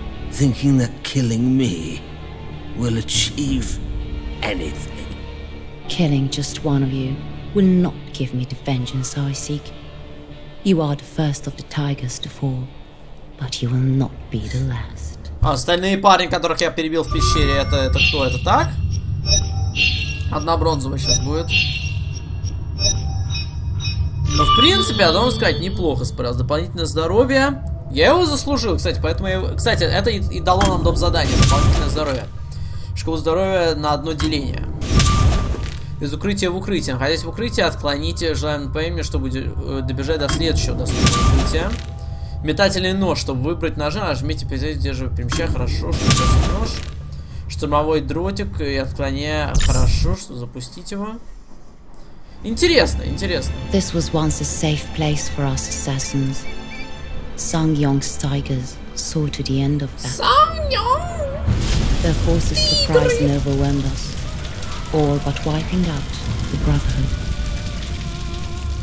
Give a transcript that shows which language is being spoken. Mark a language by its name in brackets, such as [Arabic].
[English] Thinking that killing me will achieve anything. Killing just one of you will not give me the vengeance I seek. You are the first of the tigers to fall, but you will not be the last. [Russian] А остальные парни, которых я перебил в пещере, это кто? Это так? Одна бронзовая сейчас будет. Но в принципе, я должен сказать, неплохо справился. Дополнительное здоровье. Я его заслужил, кстати, поэтому я... Кстати, это и дало нам доп. Задание. Дополнительное здоровье. Школу здоровья на одно деление. Из укрытия в укрытие. Находясь в укрытии, отклоните желаемое ПМ, чтобы добежать до следующего доступного укрытия. Метательный нож, чтобы выбрать ножи, нажмите «Перезайдите», держивая перемещая. Хорошо, что это нож. Штурмовой дротик и отклоняя. Хорошо, что запустить его. Интересно, интересно. [English] This was once a safe place for us assassins. Sang-Yong's tigers saw to the end of that. Sang-Yong! Their forces surprised and overwhelmed us. All but wiping out the Brotherhood.